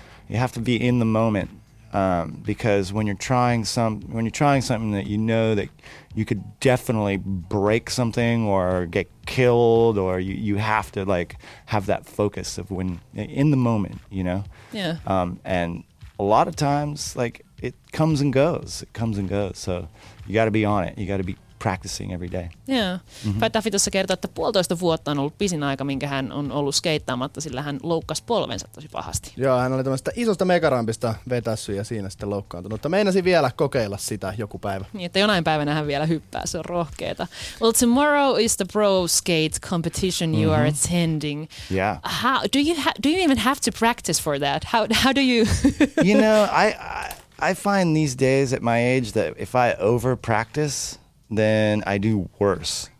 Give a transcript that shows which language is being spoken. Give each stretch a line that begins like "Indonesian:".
English: You have to be in the moment. Because when you're trying something that you know that you could definitely break something or get killed, or you have to like have that focus of when in the moment, you know. Yeah. And a lot of times, like, it comes and goes. So you got to be on it. You got to be practicing every day. Yeah. Mm-hmm.
Finnish: Pat Duffy tuossa kertoo, että 1.5 vuotta on ollut pisin aika, minkä hän on ollut skeittaamatta, sillä hän loukkasi polvensa tosi pahasti. Joo, hän oli tämmöistä isosta megarampista vetässyt ja siinä sitten loukkaantunut. Mutta meinasin vielä kokeilla sitä joku päivä. Niin, että jonain päivänä hän vielä hyppää, se on rohkeeta.
English: Well, tomorrow is the pro skate competition you mm-hmm. are attending. Yeah. How do you even have to practice for that? How do you... You know, I find these days at my age that if I over-practice, then I do worse.